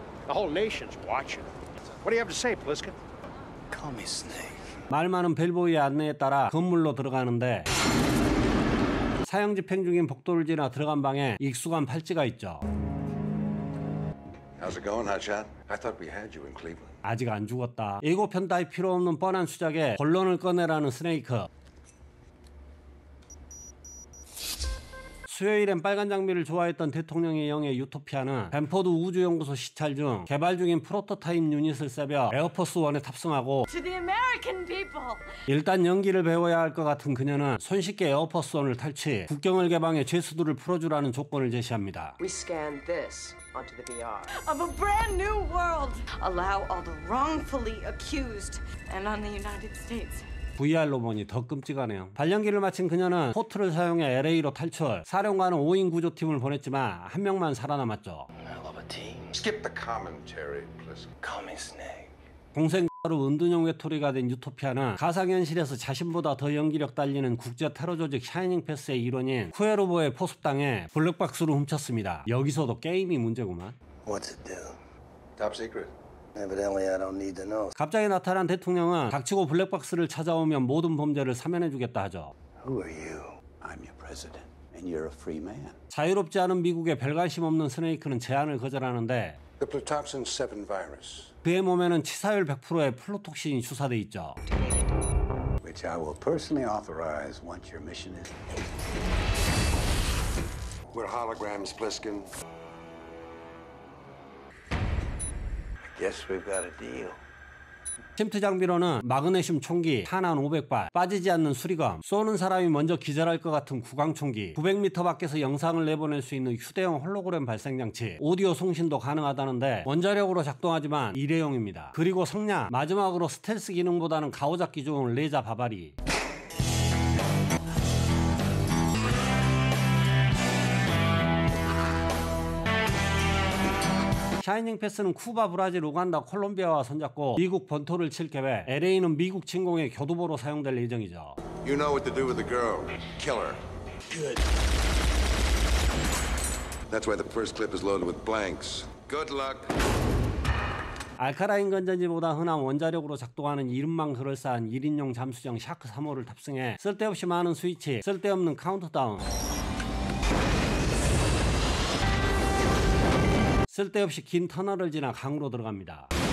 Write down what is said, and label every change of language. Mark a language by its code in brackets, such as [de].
[en] The whole nation's watching. What do you have to say, Pliskin? Call me Snake. [ko] 말 많은 벨보이의 안내에 따라 건물로 들어가는데 사형 집행 중인 복도를 지나 들어간 방에 익숙한 팔찌가 있죠. [en] How's it going, Hotshot? I thought we had you in Cleveland. [ko] 아직 안 죽었다. 예고편 따위 필요 없는 뻔한 수작에 본론을 꺼내라는 스네이크. 수요일엔 빨간 장비를 좋아했던 대통령의 영예 유토피아는 벤포드 우주연구소 시찰 중 개발 중인 프로토타입 유닛을 세벼 에어포스 1에 탑승하고 [en] To the American people. [ko] 일단 연기를 배워야 할 것 같은 그녀는 손쉽게 에어포스 1을 탈취, 국경을 개방해 죄수들을 풀어주라는 조건을 제시합니다. [en] We scan this onto the VR. Of a brand new world. Allow all the wrongfully accused and on the United States. [ko] VR로 보니 더 끔찍하네요. 발령기를 마친 그녀는 포트를 사용해 LA로 탈출. 사령관은 5인 구조팀을 보냈지만 한 명만 살아남았죠. [en] Skip the commentary, please. Call me Snake. [ko] 공생 X로 은둔형 외톨이가 된 유토피아는 가상현실에서 자신보다 더 연기력 달리는 국제 테러 조직 샤이닝 패스의 일원인 쿠에로보의 포섭당해 블랙박스를 훔쳤습니다. 여기서도 게임이 문제구만. [en] What's it do? Top secret. Evidently, I don't need to know. [ko] 갑자기 나타난 대통령은 닥치고 블랙박스를 찾아오면 모든 범죄를 사면해주겠다 하죠. [en] Who are you? I'm your president, and you're a free man. [ko] 자유롭지 않은 미국에 별관심 없는 스네이크는 제안을 거절하는데. [en] The plutoxin 7 virus. [ko] 그의 몸에는 치사율 100%의 플루톡신이 주사돼 있죠. [en] Which I will personally authorize once your mission is. We're holograms, Pliskin. Yes, we've got a deal. [ko] 침투 장비로는 마그네슘 총기 탄환 500발, 빠지지 않는 수리검, 쏘는 사람이 먼저 기절할 것 같은 구강총기, 900m 밖에서 영상을 내보낼 수 있는 휴대용 홀로그램 발생장치, 오디오 송신도 가능하다는데 원자력으로 작동하지만 일회용입니다. 그리고 성냥, 마지막으로 스텔스 기능보다는 가오잡기 좋은 레이저 바바리. 샤이닝 패스는 쿠바, 브라질, 우간다, 콜롬비아와 손잡고 미국 본토를 칠 계획. LA는 미국 침공의 교두보로 사용될 예정이죠. [en] You know what to do with the girl. Kill her. Good. That's why the first clip is loaded with blanks. Good luck. [ko] 알카라인 건전지보다 흔한 원자력으로 작동하는 이름만 그럴싸한 1인용 잠수정 샤크 3호를 탑승해 쓸데없이 많은 스위치, 쓸데없는 카운트다운, 쓸데없이 긴 터널을 지나 강으로 들어갑니다.